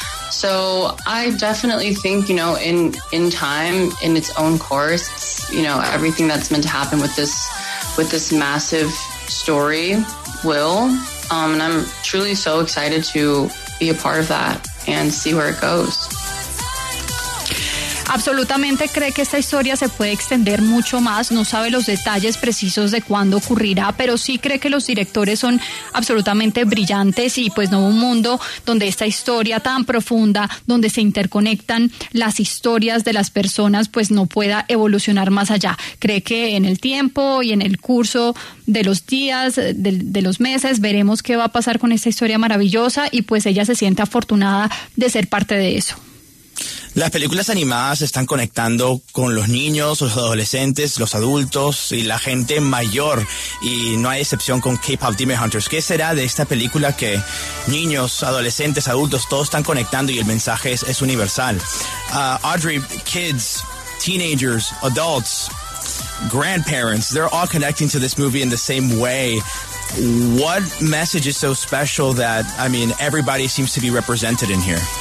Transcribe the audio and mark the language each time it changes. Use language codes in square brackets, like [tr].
[en] So I definitely think, you know, in time, in its own course, you know, everything that's meant to happen with this massive story will. And I'm truly so excited to be a part of that and see where it goes. [es] Absolutamente cree que esta historia se puede extender mucho más, no sabe los detalles precisos de cuándo ocurrirá, pero sí cree que los directores son absolutamente brillantes y pues no hubo un mundo donde esta historia tan profunda, donde se interconectan las historias de las personas, pues no pueda evolucionar más allá. Cree que en el tiempo y en el curso de los días, de los meses, veremos qué va a pasar con esta historia maravillosa y pues ella se siente afortunada de ser parte de eso. Las películas animadas están conectando con los niños, los adolescentes, los adultos y la gente mayor. Y no hay excepción con K-Pop Demon Hunters. ¿Qué será de esta película que niños, adolescentes, adultos, todos están conectando y el mensaje es universal? [en] Audrey, kids, teenagers, adults, grandparents, they're all connecting to this movie in the same way. What message is so special that, I mean, everybody seems to be represented in here?